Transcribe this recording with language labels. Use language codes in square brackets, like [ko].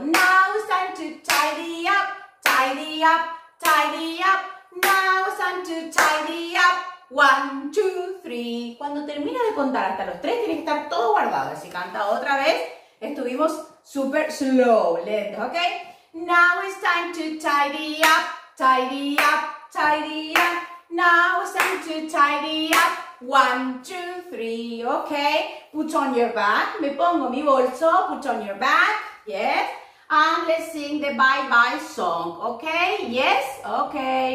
[en] Now it's time to tidy up, tidy up, tidy up. Now it's time to tidy up. One, two, three. [es] Cuando termina de contar hasta los tres, tiene que estar todo guardado. Si canta otra vez, estuvimos [en] super slow, [es] lento, ¿ok? [en] Now it's time to tidy up, tidy up, tidy up. Now it's time to tidy up. One, two, three, okay. Put on your bag. [es] Me pongo mi bolso. [en] Put on your bag. Yes. And let's sing the bye-bye song, okay? Yes? Okay.